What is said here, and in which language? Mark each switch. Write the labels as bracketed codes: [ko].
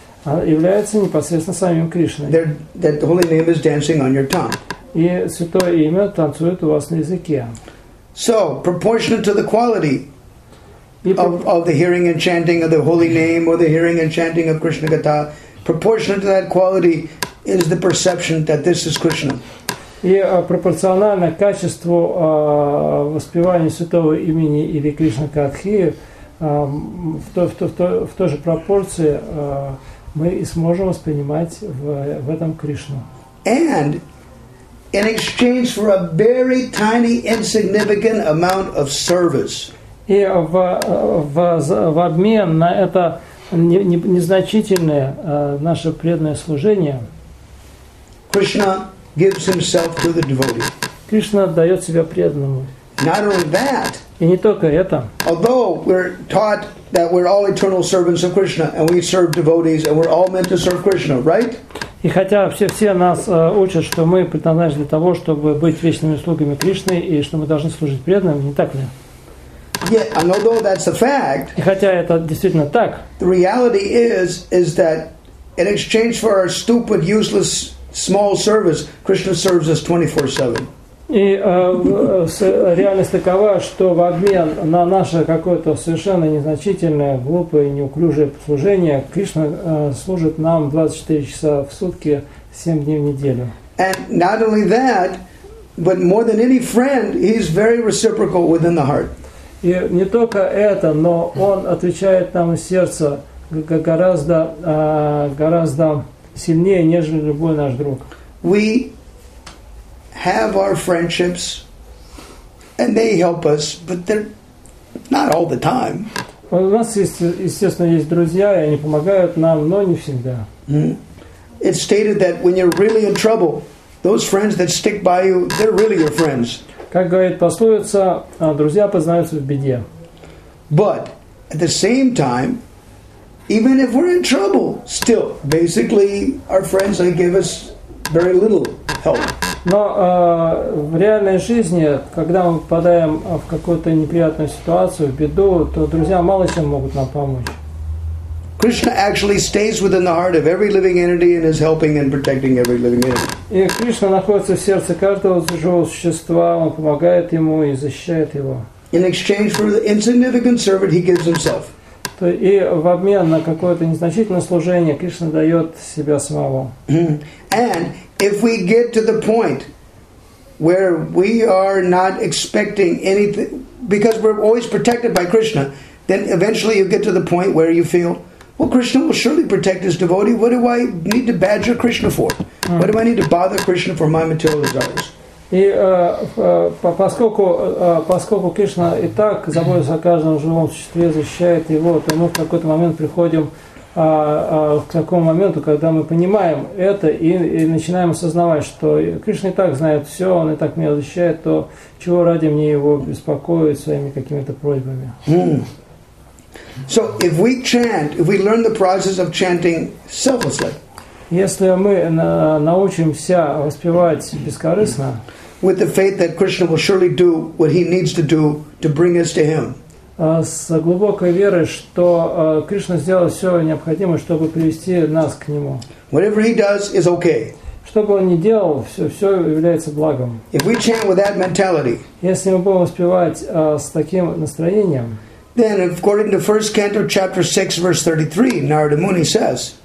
[ru] Является непосредственно самим Кришной. [en] That holy name is dancing on your tongue. [ru] И святое имя танцует у вас на языке. [en] So, proportionate to the quality of the hearing and chanting of the holy name or the hearing and chanting of Krishna Gata, proportionate to that quality is the perception that this is Krishna. [ru] И пропорционально качеству воспевания святого имени или Кришна Катхи в той же пропорции мы и сможем воспринимать в этом Кришну. [en] And in exchange for a very tiny, insignificant amount of service. [ru] И в обмен на это незначительное наше преданное служение. [en] Krishna gives himself to the devotee. [ru] Кришна дает себя преданному. [en] Not only that. [ru] И не только это. [en] Although we're taught that we're all eternal servants of Krishna and we serve devotees and we're all meant to serve Krishna, right? [ru] И хотя все нас учат, что мы предназначены для того, чтобы быть вечными слугами Кришны и что мы должны служить преданным, не так ли? [en] Yeah, and although that's a fact. [ru] И хотя это действительно так. [en] The reality is that in exchange for our stupid, useless, small service, Krishna serves us 24/7. [ru] И реальность такова, что в обмен на наше какое-то совершенно незначительное, глупое, неуклюжее служение, Кришна служит нам 24 часа в сутки, 7 дней в неделю. [en] And not only that, but more than any friend, he's very reciprocal within the heart. [ru] И не только это, но он отвечает нам из сердца гораздо, гораздо сильнее, нежели любой наш друг. [en] We have our friendships and they help us, but they're not all the time. [ru] У нас есть, естественно, есть друзья, и они помогают нам, но не всегда. [en] It's stated that when you're really in trouble, those friends that stick by you, they're really your friends. [ru] Как говорит пословица, друзья познаются в беде. [en] But at the same time, even if we're in trouble, still, basically, our friends they give us very little help. [ru] Но в реальной жизни, когда мы попадаем в какую-то неприятную ситуацию, в беду, то друзья мало чем могут нам помочь. [en] Krishna actually stays within the heart of every living entity and is helping and protecting every living entity. [ru] И Кришна находится в сердце каждого живого существа, он помогает ему и защищает его. [en] In exchange for the insignificant servant, he gives himself. [ru] И в обмен на какое-то незначительное служение Кришна дает себя самого. [en] And if we get to the point where we are not expecting anything, because we're always protected by Krishna, then eventually you get to the point where you feel, well, Krishna will surely protect his devotee. What do I need to badger Krishna for? What do I need to bother Krishna for my material desires? [ru] И поскольку Кришна и так заботится о каждом живом существе, защищает его, то мы в какой-то момент приходим к такому моменту, когда мы понимаем это и начинаем осознавать, что Кришна и так знает все, он и так меня защищает, то чего ради мне его беспокоить своими какими-то просьбами? [en] So if we chant, if we learn the process of chanting selflessly, [ru] если мы научимся воспевать бескорыстно, [en] with the faith that Krishna will surely do what he needs to do to bring us to him. [ru] С глубокой верой, что Кришна сделает все необходимое, чтобы привести нас к нему. [en] Whatever he does is okay. [ru] Что бы он ни делал, все является благом. [en] If we chant with that mentality, [ru] если мы будем воспевать с таким настроением, [en] then according to first canto, chapter 6, verse 33, Narada Muni says,